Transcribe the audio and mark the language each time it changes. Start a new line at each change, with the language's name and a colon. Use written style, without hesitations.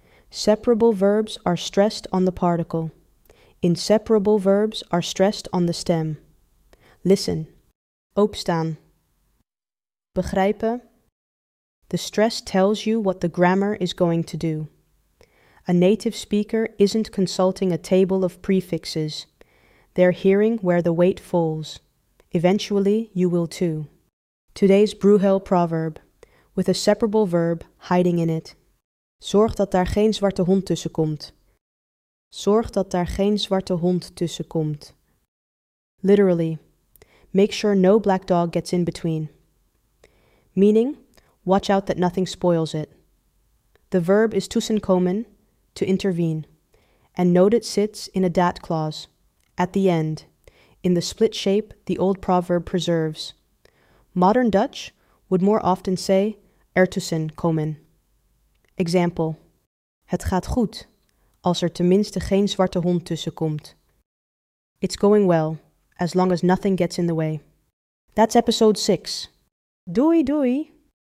English: Separable verbs are stressed on the particle. Inseparable verbs are stressed on the stem. Listen. Opstaan. Begrijpen. The stress tells you what the grammar is going to do. A native speaker isn't consulting a table of prefixes. They're hearing where the weight falls. Eventually, you will too. Today's Bruegel proverb. With a separable verb hiding in it.
Dutch: Zorg dat daar geen zwarte hond tussen komt. Zorg dat daar geen zwarte hond tussen komt.
English: Literally, make sure no black dog gets in between. Meaning, watch out that nothing spoils it. The verb is tussenkomen, to intervene. And note it sits in a dat clause, at the end, in the split shape the old proverb preserves. Modern Dutch would more often say ertussenkomen.
Dutch: Example, het gaat goed, als er tenminste geen zwarte hond tussen komt.
English: It's going well, as long as nothing gets in the way. That's episode 6.
Dutch: Doei doei!